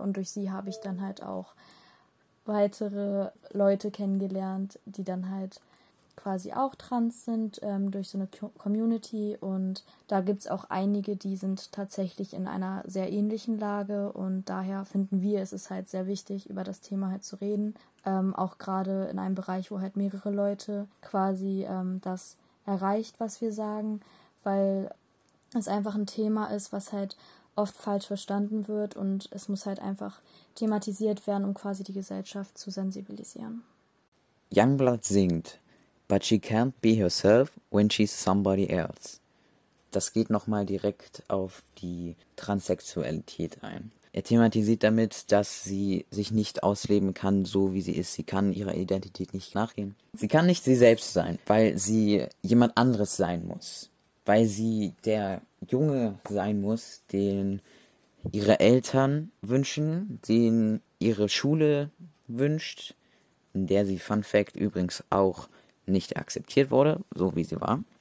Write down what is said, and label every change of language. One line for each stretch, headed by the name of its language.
German: Und durch sie habe ich dann halt auch weitere Leute kennengelernt, die dann halt quasi auch trans sind, durch so eine Community, und da gibt es auch einige, die sind tatsächlich in einer sehr ähnlichen Lage, und daher finden wir, es ist halt sehr wichtig, über das Thema halt zu reden, auch gerade in einem Bereich, wo halt mehrere Leute quasi das erreicht, was wir sagen, weil es einfach ein Thema ist, was halt oft falsch verstanden wird, und es muss halt einfach thematisiert werden, um quasi die Gesellschaft zu sensibilisieren. Youngblood singt:
English: But she can't be herself when she's somebody else.
German: Das geht nochmal direkt auf die Transsexualität ein. Er thematisiert damit, dass sie sich nicht ausleben kann, so wie sie ist. Sie kann ihrer Identität nicht nachgehen. Sie kann nicht sie selbst sein, weil sie jemand anderes sein muss. Weil sie der Junge sein muss, den ihre Eltern wünschen, den ihre Schule wünscht, in der sie, Fun Fact, übrigens auch nicht akzeptiert wurde, so wie sie war.